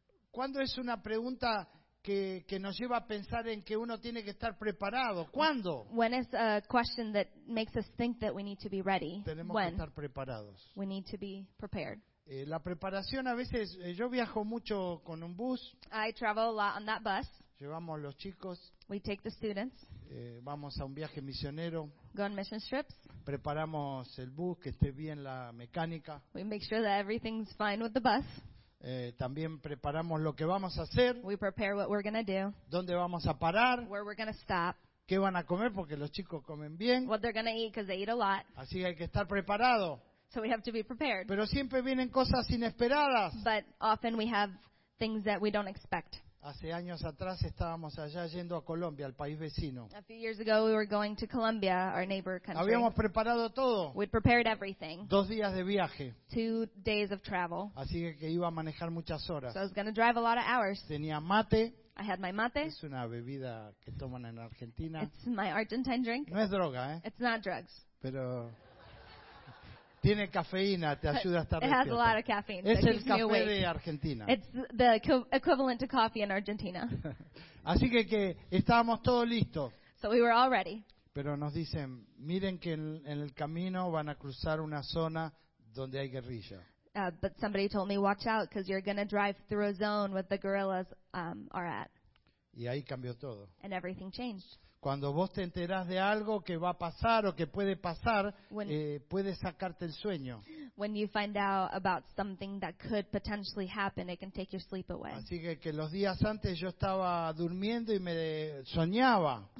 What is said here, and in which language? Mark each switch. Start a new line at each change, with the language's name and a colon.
Spanish: ¿Cuándo es una pregunta que nos lleva a pensar en que uno tiene que estar preparado? ¿Cuándo?
English: When is a question that makes us think that we need to be ready.
Spanish: Tenemos
English: when?
Spanish: Que estar preparados.
English: We need to be prepared.
Spanish: La preparación a veces, yo viajo mucho con un bus.
English: I travel a lot on that bus.
Spanish: Llevamos los chicos.
English: We take the students.
Spanish: Vamos a un viaje misionero.
English: Go on mission trips.
Spanish: Preparamos el bus, que esté bien la mecánica.
English: We make sure that everything's fine with the bus.
Spanish: También preparamos lo que vamos a hacer.
English: We prepare what we're gonna do.
Spanish: ¿Dónde vamos a parar?
English: Where we're gonna stop.
Spanish: ¿Qué van a comer? Porque los chicos comen bien.
English: What they're gonna eat, 'cause they eat a lot.
Spanish: Así que hay que estar preparado.
English: So we have to be prepared.
Spanish: Pero siempre vienen cosas inesperadas.
English: But often we have things that we don't expect.
Spanish: Hace años atrás estábamos allá yendo a Colombia, al país vecino.
English: A few years ago we were going to Colombia, our neighbor country.
Spanish: Habíamos preparado todo.
English: We'd prepared everything.
Spanish: 2 días de viaje.
English: 2 days of travel.
Spanish: Así que iba a manejar muchas horas.
English: So I was going to drive a lot of hours.
Spanish: Tenía mate.
English: I had my mate.
Spanish: Es una bebida que toman en Argentina.
English: It's my Argentine drink.
Spanish: No es droga, ¿eh?
English: It's not drugs.
Spanish: Pero tiene cafeína, te ayuda a estar despierto.
English: It has a lot of caffeine.
Spanish: Es el café de Argentina.
English: It's the equivalent to coffee in Argentina.
Spanish: Así que estábamos todos listos.
English: So we were all ready.
Spanish: Pero nos dicen, miren que en el camino van a cruzar una zona donde hay guerrilla.
English: But somebody told me, watch out, because you're going to drive through a zone where the guerrillas are at.
Spanish: Y ahí cambió todo.
English: And everything changed.
Spanish: Cuando vos te enterás de algo que va a pasar o que puede pasar, puede sacarte el sueño.
English: When you find out about something that could potentially happen, it can take your sleep away.
Spanish: Así que los días antes yo estaba durmiendo y me soñaba.